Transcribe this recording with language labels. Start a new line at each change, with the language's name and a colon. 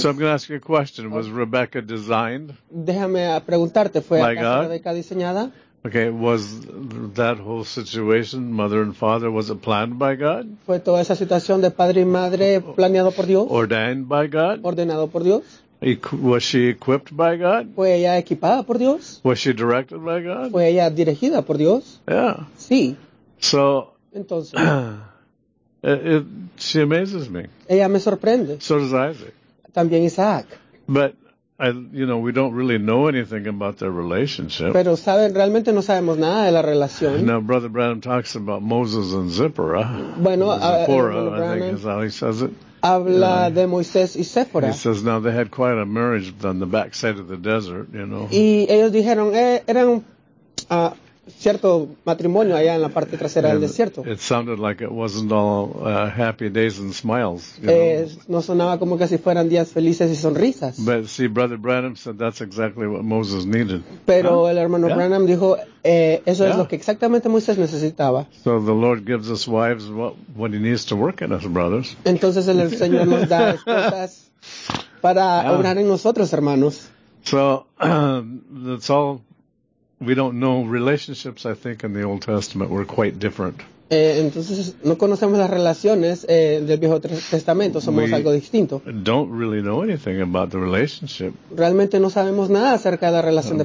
English: So I'm going to ask you a question. Was Rebecca designed?
Spanish: Déjame preguntarte, ¿fue
English: by God?
Spanish: Rebecca diseñada?
English: Okay, was that whole situation, mother and father, was it planned by God?
Spanish: ¿Fue toda esa situación de padre y madre planeado por Dios?
English: Ordained by God?
Spanish: ¿Ordenado por Dios?
English: Was she equipped by God?
Spanish: ¿Fue ella equipada por Dios?
English: Was she directed by God?
Spanish: ¿Fue ella dirigida por Dios?
English: Yeah.
Spanish: Sí.
English: So,
Spanish: entonces,
English: she amazes me.
Spanish: Ella me sorprende.
English: So does Isaac.
Spanish: También Isaac.
English: But, you know, we don't really know anything about their relationship.
Spanish: Pero saben, realmente no sabemos nada de la relación.
English: Now, Brother Branham talks about Moses and Zipporah.
Spanish: Bueno,
English: Zipporah, I think is how he says it.
Spanish: Habla de Moisés y Zipporah.
English: He says, now they had quite a marriage on the backside of the desert, you know.
Spanish: Y ellos dijeron, eran cierto matrimonio allá en la parte trasera del desierto.
English: It sounded like it wasn't all happy days and smiles, you know.
Spanish: No sonaba como que si fueran días felices y sonrisas.
English: But see, Brother Branham said that's exactly what Moses needed.
Spanish: Pero el hermano Branham dijo, eso es lo que exactamente Moisés necesitaba.
English: So the Lord gives us wives what he needs to work in us, brothers.
Spanish: Entonces el Señor nos da esposas para obrar en nosotros, hermanos.
English: So, that's all. We don't know relationships, I think, in the Old Testament were quite different.
Spanish: Entonces, no conocemos las relaciones del Viejo Testamento, somos
English: we
Spanish: algo distinto.
English: Don't really know anything about the relationship.
Spanish: Realmente no sabemos nada acerca de la relación de